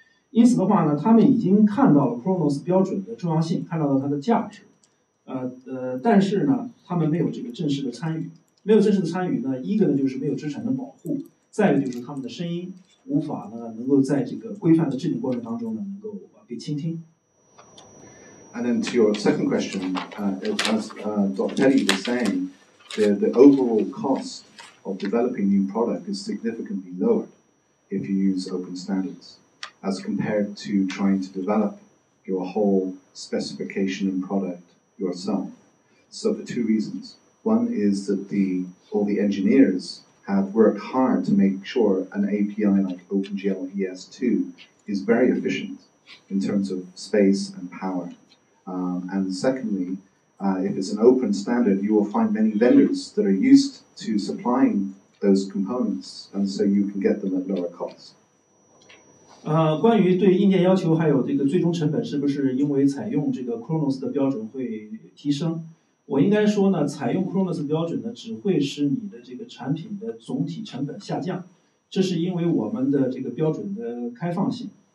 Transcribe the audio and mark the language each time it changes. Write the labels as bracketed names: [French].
[Chinese] 因此的话呢，他们已经看到了 Khronos 标准的重要性，看到了它的价值，但是呢，他们没有这个正式的参与，没有正式的参与呢，一个呢就是没有知识产权保护，再一个就是他们的声音无法呢能够在这个规范的制定过程当中呢能够被倾听。 [English] And then to your second question, Dr. Peddie was saying, the overall cost of developing new product is significantly lowered if you use open standards. As compared to trying to develop your whole specification and product yourself. So for two reasons. One is that all the engineers have worked hard to make sure an API like OpenGL ES2 is very efficient in terms of space and power. And secondly, if it's an open standard, you will find many vendors that are used to supplying those components, and so you can get them at lower cost. [Chinese] 关于对硬件要求还有这个最终成本是不是因为采用这个 Khronos 的标准会提升，我应该说呢，采用 Khronos 标准呢只会使你的这个产品的总体成本下降，这是因为我们的这个标准的开放性。